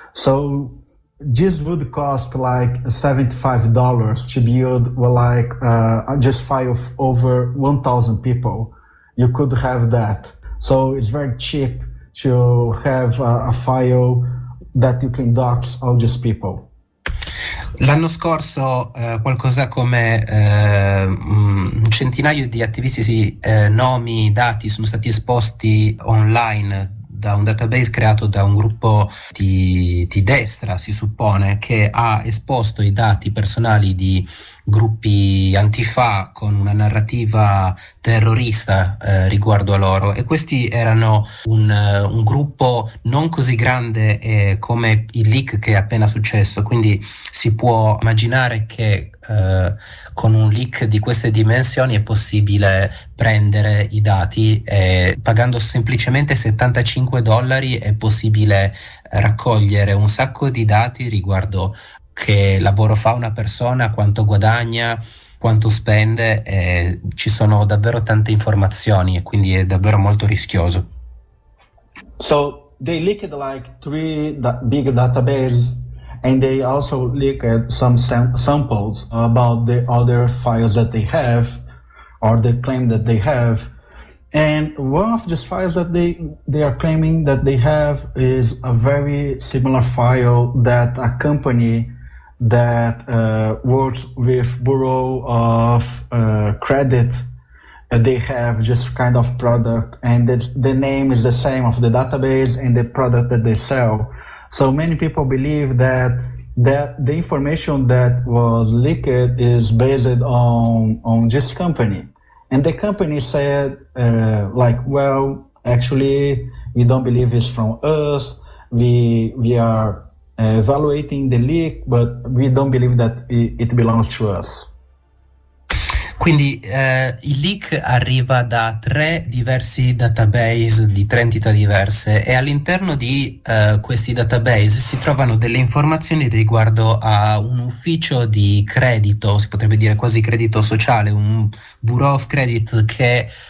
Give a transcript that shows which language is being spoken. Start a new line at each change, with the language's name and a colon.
English: So this would cost like $75 to build, just file over 1,000 people. You could have that. So it's very cheap to have a file that you can dox all these people.
Italian: L'anno scorso qualcosa come un centinaio di attivisti, nomi, dati sono stati esposti online da un database creato da un gruppo di destra, si suppone, che ha esposto i dati personali di gruppi antifa con una narrativa terrorista riguardo a loro, e questi erano un gruppo non così grande come il leak che è appena successo, quindi si può immaginare che con un leak di queste dimensioni è possibile prendere i dati e pagando semplicemente $75 è possibile raccogliere un sacco di dati riguardo che lavoro fa una persona, quanto guadagna, quanto spende, e ci sono davvero tante informazioni e quindi è davvero molto rischioso.
English: So they leaked like 3 big databases and they also leaked some samples about the other files that they have or the claim that they have. And one of these files that they are claiming that they have is a very similar file that a company that works with Bureau of Credit, they have this kind of product, and the name is the same of the database and the product that they sell. So many people believe that the information that was leaked is based on this company. And the company said, well, actually, we don't believe it's from us. We are evaluating the leak, but we don't believe that it belongs to us.
Italian: Quindi il leak arriva da 3 diversi database di 3 entità diverse, e all'interno di questi database si trovano delle informazioni riguardo a un ufficio di credito, si potrebbe dire quasi credito sociale, un Bureau of Credit che